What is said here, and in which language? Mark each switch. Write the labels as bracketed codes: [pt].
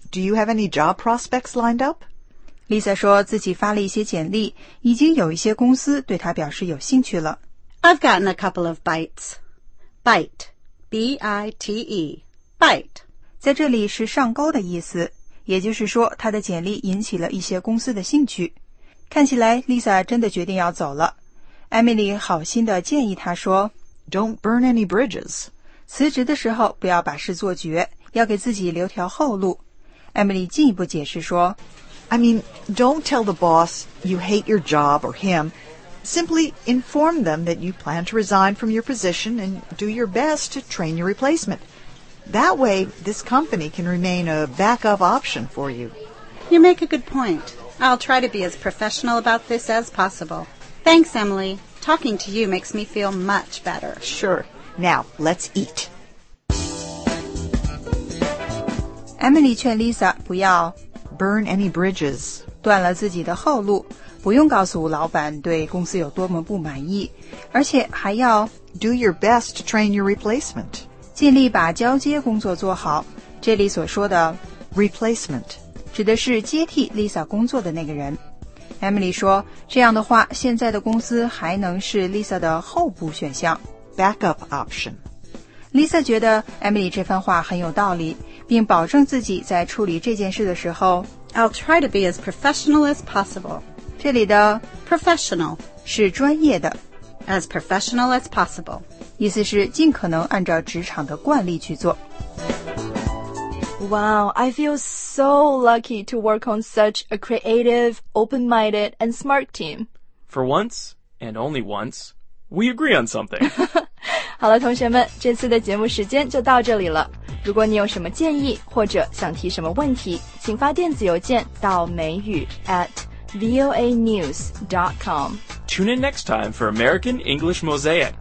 [en] Do you have any job prospects lined up? [zh] Lisa 说自己发了一些简历，已经有一些公司对她表示有兴趣了。 [en] I've gotten a couple of bites. Bite. B-I-T-E. Bite. [zh] 在这里是上钩的意思，也就是说他的简历引起了一些公司的兴趣。看起来 Lisa 真的决定要走了。Emily 好心地建议他说 [en] Don't burn any bridges. [zh] 辞职的时候不要把事做绝，要给自己留条后路。 Emily 进一步解释说 [en] I mean, don't tell the boss you hate your job or him. Simply inform them that you plan to resign from your position and do your best to train your replacement. That way, this company can remain a backup option for you. You make a good point. I'll try to be as professional about this as possible. Thanks, Emily. Talking to you makes me feel much better. Sure. Now, let's eat. [zh] Emily 劝 Lisa 不要 [en] burn any bridges. [zh] 断了自己的后路。不用告诉老板对公司有多么不满意，而且还要 [en] do your best to train your replacement， [zh] 尽力把交接工作做好。这里所说的 [en] replacement [zh] 指的是接替 Lisa 工作的那个人。Emily 说，这样的话，现在的公司还能是 Lisa 的候补选项 [en] backup option。 [zh] Lisa 觉得 Emily 这番话很有道理，并保证自己在处理这件事的时候 [en] I'll try to be as professional as possible. [zh] 这里的 [en] professional [zh] 是专业的 [en] as professional as possible [zh] 意思是尽可能按照职场的惯例去做 [en] Wow, I feel so lucky to work on such a creative, open-minded, and smart team. For once, and only once, we agree on something. [zh] 好了同学们，这次的节目时间就到这里了。如果你有什么建议或者想提什么问题，请发电子邮件到美语 at [en] voanews.com. Tune in next time for American English Mosaic.